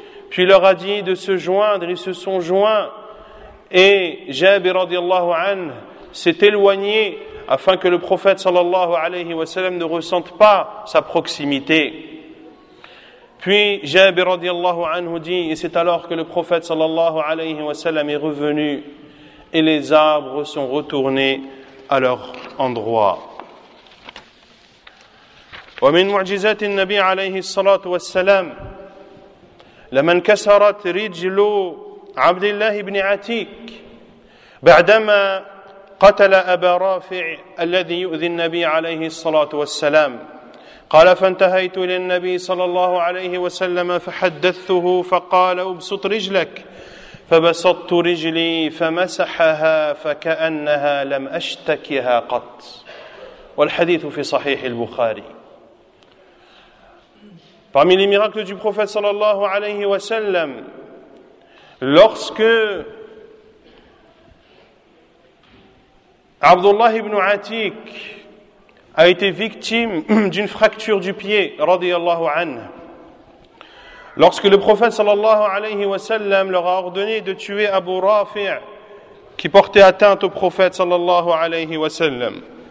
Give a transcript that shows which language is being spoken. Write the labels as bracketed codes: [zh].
[fr] Puis leur a dit de se joindre, ils se sont joints. Et Jabir radiallahu anhu s'est éloigné afin que le prophète sallallahu alayhi wa sallam ne ressente pas sa proximité. Puis Jabir radiallahu anhu dit, et c'est alors que le prophète sallallahu alayhi wa sallam est revenu et les arbres sont retournés à leur endroit. [ar] ومن معجزات النبي عليه الصلاة والسلام لمن كسرت رجل عبد الله بن عتيك بعدما قتل أبا رافع الذي يؤذي النبي عليه الصلاة والسلام قال فانتهيت للنبي صلى الله عليه وسلم فحدثته فقال ابسط رجلك فبسطت رجلي فمسحها فكأنها لم أشتكها قط والحديث في صحيح البخاري. [fr] Parmi les miracles du prophète sallallahu alayhi wa sallam, lorsque Abdullah ibn Atik a été victime d'une fracture du pied, radiyallahu anhu, lorsque le prophète sallallahu alayhi wa sallam leur a ordonné de tuer Abu Rafi' qui portait atteinte au prophète sallallahu alayhi wa sallam,